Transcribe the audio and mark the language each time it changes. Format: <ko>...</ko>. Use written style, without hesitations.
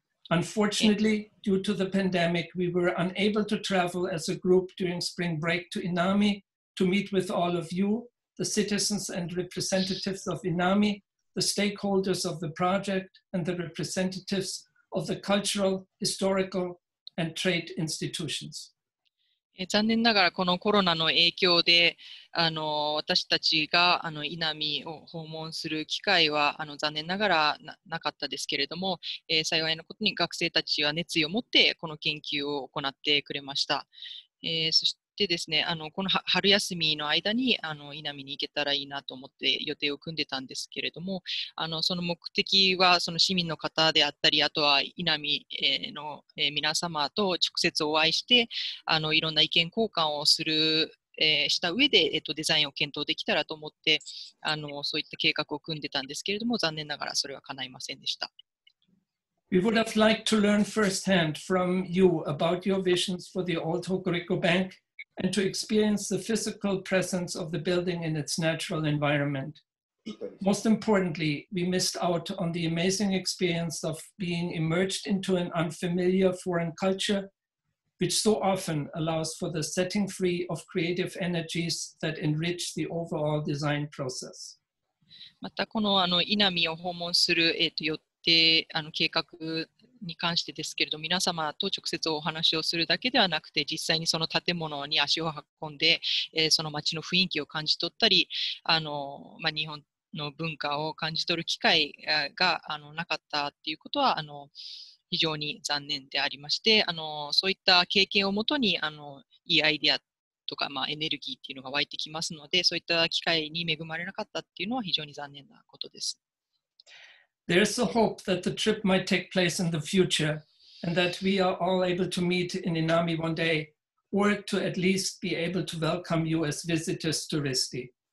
<en>Unfortunately, due to the pandemic, we were unable to travel as a group during spring break to Inami to meet with all of you, the citizens and representatives of Inami, the stakeholders of the project, and the representatives of the cultural, historical,And trade institutions.</en> <ja>残念ながらこのコロナの影響で私たちがイナミを訪問する機会は残念ながら なかったですけれども、幸いのことに学生たちは熱意を持ってこの研究を行ってくれました、そしてですねこの春休みの間にイナミに行けたらいいなと思って予定を組んでたんですけれどもその目的はその市民の方であったりあとはイナミの皆様と直接お会いしていろんな意見交換をするした上でデザインを検討できたらと思ってそういった計画を組んでたんですけれども残念ながらそれは叶いませんでした。</ja> <en>We would have liked to learn firsthand from you about your visions for the old Hokuriku Bank and to experience the physical presence of the building in its natural environment. Most importantly, we missed out on the amazing experience of being immersed into an unfamiliar foreign culture, which so often allows for the setting free of creative energies that enrich the overall design process.</en> <ja>またこの Inami を訪問する計画に関してですけれど皆様と直接お話をするだけではなくて実際にその建物に足を運んで、その街の雰囲気を感じ取ったり日本の文化を感じ取る機会がなかったっていうことは非常に残念でありましてそういった経験をもとにいいアイデアとか、エネルギーっていうのが湧いてきますのでそういった機会に恵まれなかったっていうのは非常に残念なことです。</ja> <en>There is a hope that the trip might take place in the future and that we are all able to meet in Inami one day or to at least be able to welcome you as visitors to RISD.</en>